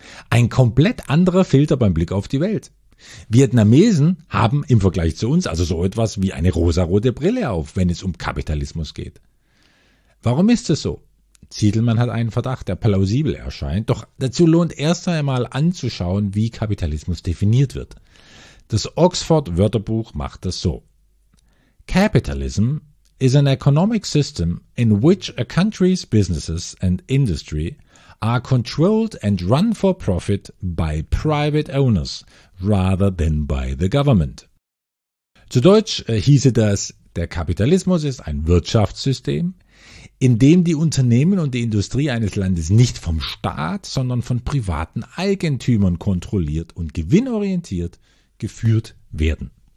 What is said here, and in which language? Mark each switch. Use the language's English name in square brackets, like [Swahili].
[German] Ein komplett anderer Filter beim Blick auf die Welt. Vietnamesen haben im Vergleich zu uns also so etwas wie eine rosarote Brille auf, wenn es um Kapitalismus geht. Warum ist es so? Zietelmann hat einen Verdacht, der plausibel erscheint, doch dazu lohnt erst einmal anzuschauen, wie Kapitalismus definiert wird. Das Oxford-Wörterbuch macht das so: [English] Capitalism is an economic system in which a country's businesses and industry are controlled and run for profit by private owners rather than by the government. [German] Zu Deutsch hieße das: Der Kapitalismus ist ein Wirtschaftssystem, in dem die Unternehmen und die Industrie eines Landes nicht vom Staat, sondern von privaten Eigentümern kontrolliert und gewinnorientiert geführt werden.